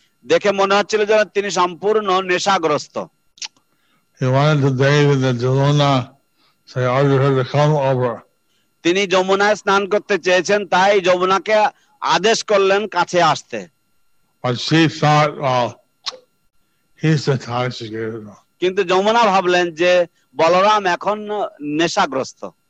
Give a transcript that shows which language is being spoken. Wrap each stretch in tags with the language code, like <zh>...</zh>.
<bn>দেখে মনে হচ্ছিল যেন তিনি সম্পূর্ণ নেশাগ্রস্ত.</bn> <en>He wanted to bathe in the Jamuna, so he ordered her to come over.</en> <bn>তিনি যমুনায় স্নান করতে চেয়েছেন তাই যমুনাকে আদেশ করলেন কাছে আসতে.</bn> <en>But she thought, well, he's intoxicated.</en> <bn>কিন্তু যমুনা ভাবলেন যে বলরাম এখন নেশাগ্রস্ত.</bn>